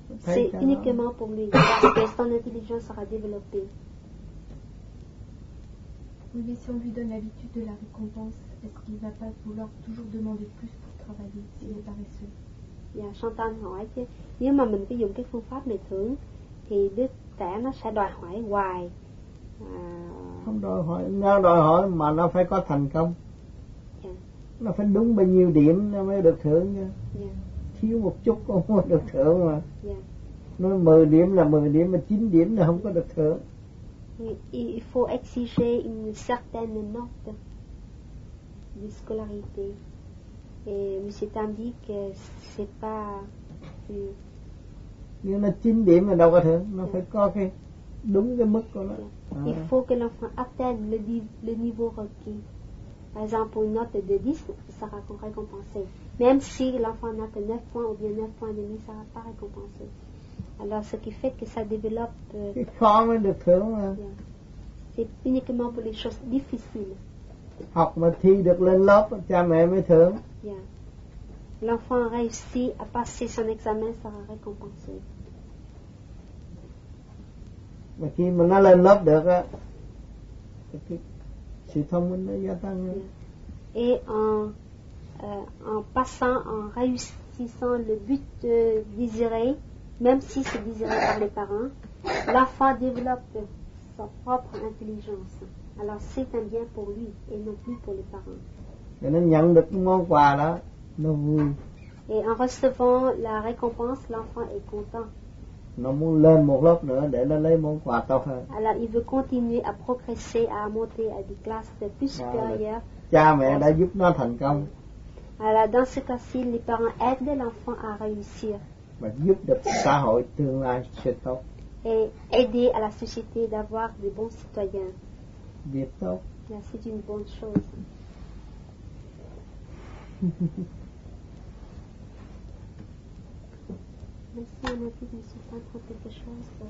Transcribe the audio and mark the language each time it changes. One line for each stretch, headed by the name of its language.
French: C'est uniquement pour lui, parce que son intelligence sera développée. Oui, mais si on lui donne l'habitude de la récompense, est-ce qu'il va pas vouloir toujours demander plus pour travailler, s'il est paresseux?
Vietnamese: Dạ, Chantal hỏi chứ, nếu mà mình cứ dùng cái phương pháp này thưởng, thì đứa trẻ nó sẽ đòi hỏi hoài. Không đòi hỏi, nó đòi hỏi mà nó phải có thành công. Yeah. Nó phải đúng bao nhiêu điểm nó mới được thưởng nha. Yeah. Thiếu một chút cũng không được thưởng mà. Yeah. Nó 10 điểm là 10 điểm, mà 9 điểm là không có được thưởng.
French: Il faut exiger une certaine note de scolarité. Et M. Tam dit que c'est pas.
Vietnamese: Nếu nó 9 điểm là đâu có thưởng, nó phải có cái đúng cái mức của nó.
French: Il faut que l'enfant atteigne le niveau requis. par exemple, pour une note de 10, ça sera récompensé. Même si l'enfant n'a que 9 points ou bien 9,5, ça ne sera pas récompensé. Alors, ce qui fait que ça développe... Une forme de cœur. Hein? C'est uniquement pour les choses difficiles.
Vietnamese: Học mà thi được lên lớp, cha mẹ mới thưởng. Yeah.
French: L'enfant réussit à passer son examen, sera récompensé.
Vietnamese: Mà khi mà nó lên lớp được á, cái sự thông minh nó gia tăng. Yeah.
French: Et en, en passant, en réussissant le but désiré, même si c'est désiré par les parents, l'enfant développe sa propre intelligence. Alors c'est un bien pour lui et non plus pour les parents.
Vietnamese: Et nên nhận được món quà đó, nó vui.
French: Et en recevant la récompense, l'enfant est content.
Vietnamese: Nó muốn lên một lớp nữa để nó lấy món quà to hơn.
French: Alors il veut continuer à progresser, à monter à des classes de plus supérieures.
Vietnamese: Cha mẹ đã giúp nó thành công.
French: Alors dans ce cas-ci, les parents aident l'enfant à réussir.
Vietnamese: Và giúp được xã hội tương lai sẽ tốt.
French: Et aider à la société d'avoir de bons citoyens.
Vietnamese: Việc tốt.
French: Là, c'est une bonne chose. Merci, on a dit que c'est pas trop quelque chose.